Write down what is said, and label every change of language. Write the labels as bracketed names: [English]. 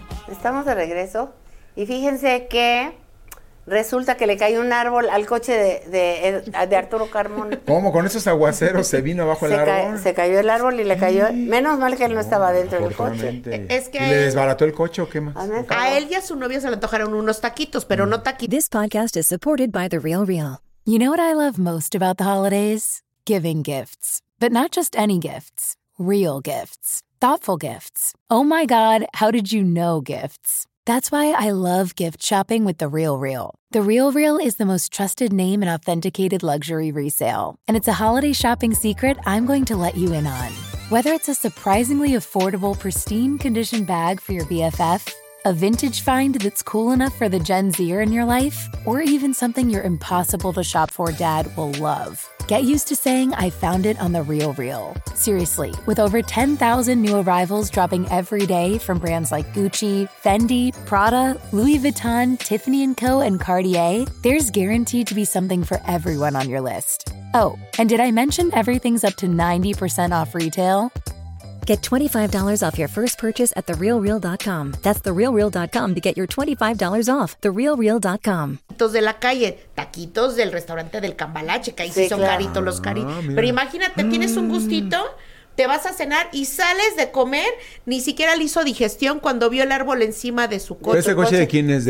[Spanish] Estamos de regreso y fíjense que resulta que le cayó un árbol al coche de Arturo Carmona. ¿Cómo? ¿Con esos aguaceros se vino abajo el árbol? Se cayó el árbol y le cayó. Menos mal que él no estaba dentro del coche. Es que ¿le desbarató el coche o qué más? A él y a su novia se le antojaron unos taquitos, pero no taquitos. [English] This podcast is supported by The Real Real. You know what I love most about the holidays? Giving gifts. But not just any gifts. Real gifts. Thoughtful gifts. Oh my God, how did you know gifts? That's why I love gift shopping with The Real Real. The Real Real is the most trusted name in authenticated luxury resale. And it's a holiday shopping secret I'm going to let you in on. Whether it's a surprisingly affordable, pristine condition bag for your BFF, a vintage find that's cool enough for the Gen Zer in your life, or even something your impossible to shop for dad will love. Get used to saying, I found it on The Real Real. Seriously, with over 10,000 new arrivals dropping every day from brands like Gucci, Fendi, Prada, Louis Vuitton, Tiffany & Co., and Cartier, there's guaranteed to be something for everyone on your list. Oh, and did I mention everything's up to 90% off retail? Get $25 off your first purchase at TheRealReal.com. That's TheRealReal.com to get your $25 off. TheRealReal.com. [Spanish] Taquitos de la calle, taquitos del restaurante del Cambalache, que ahí sí, sí son caritos los caritos. Pero imagínate, tienes un gustito, te vas a cenar y sales de comer, ni siquiera le hizo digestión cuando vio el árbol encima de su coche. ¿Ese coche de quién es? De